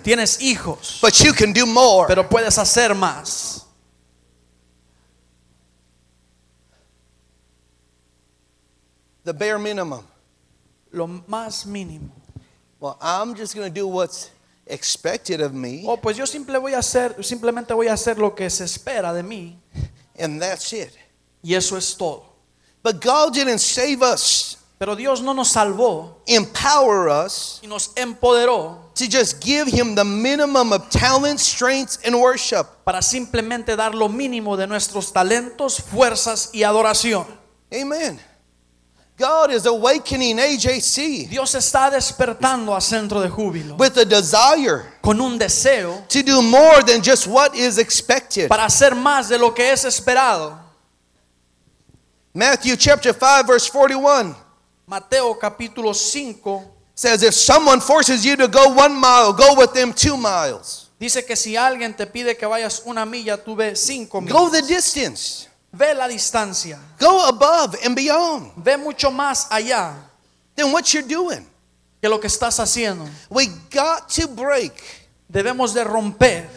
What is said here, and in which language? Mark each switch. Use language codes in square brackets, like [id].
[es] Tienes hijos. [en] But you can do more. [es] Pero puedes hacer más. [en] The bare minimum. [es] Lo más mínimo. [en] Well, I'm just going to do what's expected of me. [es] Oh, pues yo simplemente voy a hacer lo que se espera de mí. [en] And that's it. [es] Y eso es todo. [en] But God didn't save us. [es] Pero Dios no nos salvó. [en] Empower us. [es] Y nos empoderó. [en] To just give Him the minimum of talents, strengths, and worship. [es] Para simplemente dar lo mínimo de nuestros talentos, fuerzas y adoración. [en] Amen. God is awakening AJC. [es] Dios está despertando a Centro de Júbilo. [en] With a desire. [es] Con un deseo. [en] To do more than just what is expected. [es] Para hacer más de lo que es esperado. [en] Matthew chapter 5 verse 41. [es] Mateo capítulo 5 [en] says if someone forces you to go 1 mile, go with them 2 miles. [es] Dice que si alguien te pide que vayas una milla, tú ve 5 millas. [en] Go the distance. [es] Ve la distancia. [en] Go above and beyond. [es] Ve mucho más allá. [en] Then what you're doing? [es] Que lo que estás haciendo. [en] We got to break. [es] Debemos de romper.